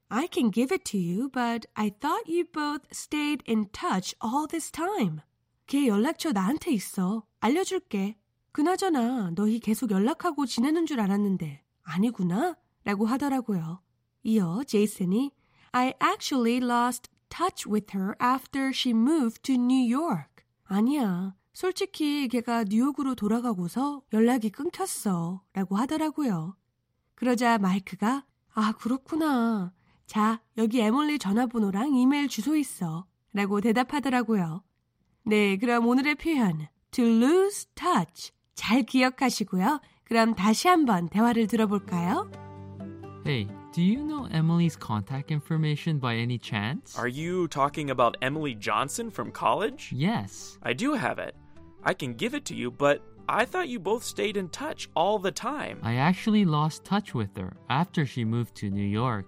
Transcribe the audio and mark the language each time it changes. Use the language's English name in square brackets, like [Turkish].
[English] I can give it to you, but I thought you both stayed in touch all this time. [Korean] 걔 연락처 나한테 있어. 알려줄게. 그나저나 너희 계속 연락하고 지내는 줄 알았는데 아니구나 라고 하더라고요. 이어 제이슨이 [English] I actually lost touch with her after she moved to New York. [Korean] 아니야, 솔직히 걔가 뉴욕으로 돌아가고서 연락이 끊겼어 라고 하더라고요. 그러자 마이크가 아 그렇구나. 자, 여기 에밀리 전화번호랑 이메일 주소 있어 라고 대답하더라고요. 네, 그럼 오늘의 표현 To lose touch 잘 기억하시고요. 그럼 다시 한번 대화를 들어볼까요? [English] Hey, do you know Emily's contact information by any chance? Are you talking about Emily Johnson from college? Yes. I do have it. I can give it to you, but I thought you both stayed in touch all the time. I actually lost touch with her after she moved to New York.